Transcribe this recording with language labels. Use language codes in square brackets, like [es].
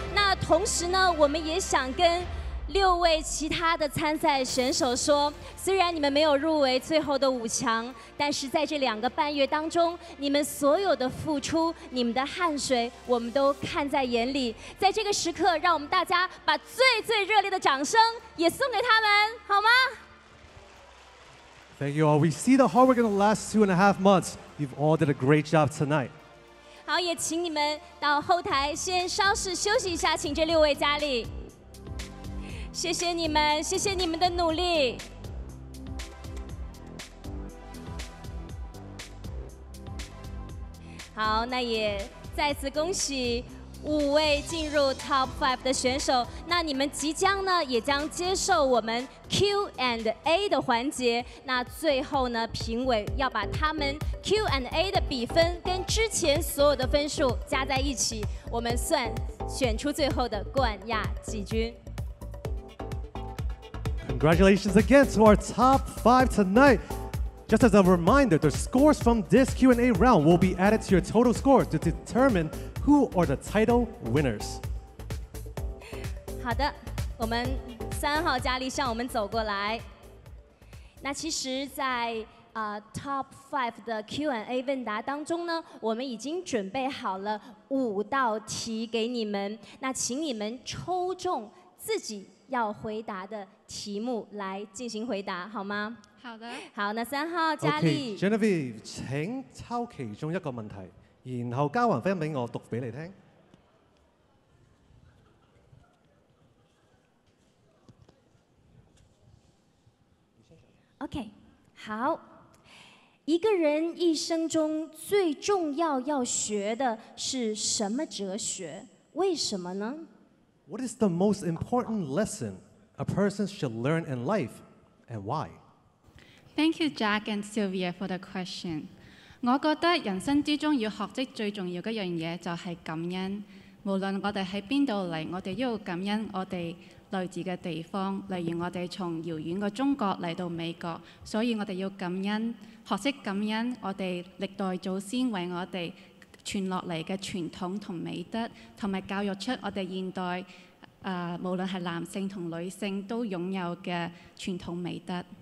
[zh] 那同时呢，我们也想跟六位其他的参赛选手说，虽然你们没有入围最后的五强，但是在这两个半月当中，你们所有的付出，你们的汗水，我们都看在眼里。在这个时刻，让我们大家把最最热烈的掌声也送给他们，好吗 [en] ？Thank you all. We see the hard work in the last 2.5 months. You've all did a great job tonight. [zh] 好，也请你们到后台先稍事休息一下，请这六位佳丽。谢谢你们，谢谢你们的努力。好，那也再次恭喜五位进入 Top 5的选手。那你们即将呢，也将接受我们 Q&A 的环节。那最后呢，评委要把他们 Q&A 的比分跟之前所有的分数加在一起，我们算选出最后的冠亚季军。 [en] Congratulations again to our top five tonight. Just as a reminder, the scores from this Q&A round will be added to your total scores to determine who are the title winners. [zh] 好的，我们三号佳丽向我们走过来。那其实在Top 5的 Q&A 问答当中呢，我们已经准备好了五道题给你们，那请你们抽中自己要回答的题目来进行回答，好吗？好的。好，那三号佳丽 Genevieve， 请抽其中一个问题，然后嘉宏分享给我读给你听。 OK， 好。一个人一生中最重要要学的是什么哲学？为什么呢？ [en] What is the most important lesson a person should learn in life and why? Thank you, Jack and Sylvia, for the question. [zh] 我觉得人生之中要学习最重要的一件事就是感恩。无论我们在哪里来，我们要感恩我们来自的地方，例如我们从遥远的中国来到美国，所以我们要感恩，学习感恩我们历代祖先为我们传下来的传统和美德，以及教育出我们现代无论是男性和女性都拥有的传统美德。